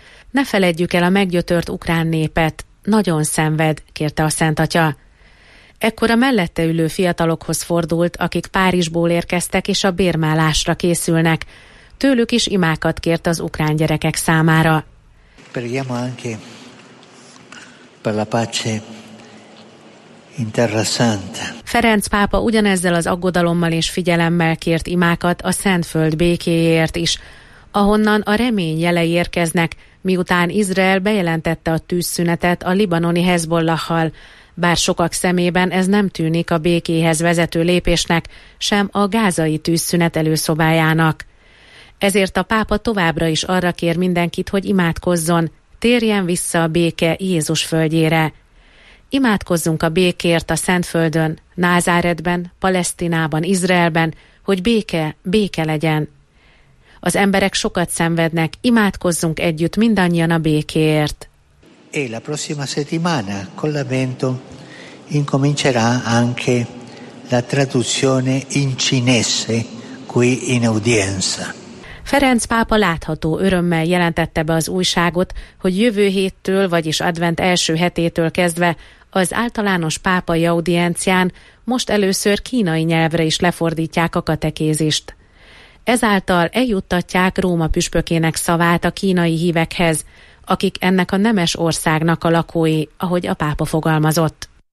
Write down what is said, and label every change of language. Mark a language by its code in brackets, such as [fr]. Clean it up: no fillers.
[hu] Ne feledjük el a meggyötört ukrán népet, nagyon szenved, kérte a Szentatya. Ekkor a mellette ülő fiatalokhoz fordult, akik Párizsból érkeztek és a bérmálásra készülnek. Tőlük is imákat kért az ukrán gyerekek számára. [it] Preghiamo anche per la pace in terra santa. [hu] Ferenc pápa ugyanezzel az aggodalommal és figyelemmel kért imákat a Szentföld békéért is, ahonnan a remény jelei érkeznek, miután Izrael bejelentette a tűzszünetet a libanoni Hezbollahhal, bár sokak szemében ez nem tűnik a békéhez vezető lépésnek, sem a gázai tűzszünet előszobájának. Ezért a pápa továbbra is arra kér mindenkit, hogy imádkozzon, térjen vissza a béke Jézus földjére. Imádkozzunk a békért a Szentföldön, Názáretben, Palesztinában, Izraelben, hogy béke, béke legyen. Az emberek sokat szenvednek, imádkozzunk együtt mindannyian a békéért. [it] E la prossima settimana con l'avvento incomincerà anche la traduzione in cinese qui in udienza. [hu] Ferenc pápa látható örömmel jelentette be az újságot, hogy jövő héttől, vagyis advent első hetétől kezdve az általános pápai audiencián most először kínai nyelvre is lefordítják a katekézist. Ezáltal eljuttatják Róma püspökének szavát a kínai hívekhez, akik ennek a nemes országnak a lakói, ahogy a pápa fogalmazott.